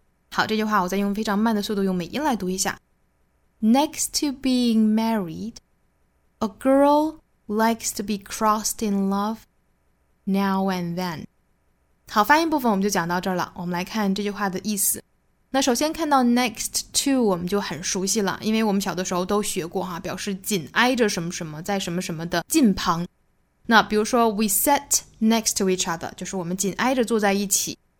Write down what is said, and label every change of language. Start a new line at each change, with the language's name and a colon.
Chinese: 好，这句话我再用非常慢的速度用美音来读一下。
English: Next to being married,A girl likes to be crossed in love now and then.
Chinese: 好，发音部分我们就讲到这儿了。我们来看这句话的意思。那首先看到 next to 我们就很熟悉了，因为我们小的时候都学过哈，表示紧挨着什么什么，在什么什么的近旁。那比如说
English: we sat next to each other,
Chinese: 就是我们紧挨着坐在一起。